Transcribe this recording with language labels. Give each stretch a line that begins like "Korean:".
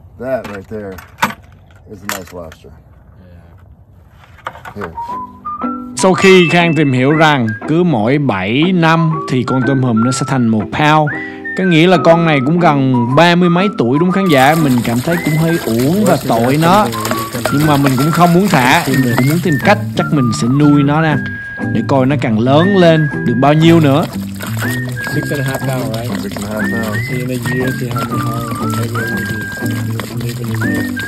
English: That right there is a nice lobster. Yeah. Here.
Vietnamese: Sau khi Khang tìm hiểu rằng cứ mỗi 7 năm thì con tôm hùm nó sẽ thành 1 pound. Có nghĩa là con này cũng gần 30 mấy tuổi, đúng khán giả? Mình cảm thấy cũng hơi uổng và tội nó. Nhưng mà mình cũng không muốn thả, mình cũng muốn tìm cách, chắc mình sẽ nuôi nó nè. Để coi nó càng lớn lên được bao nhiêu nữa.
English: 6.5 pounds, right? 6.5 pounds. See in a year, see how many pounds, maybe it will be living in there.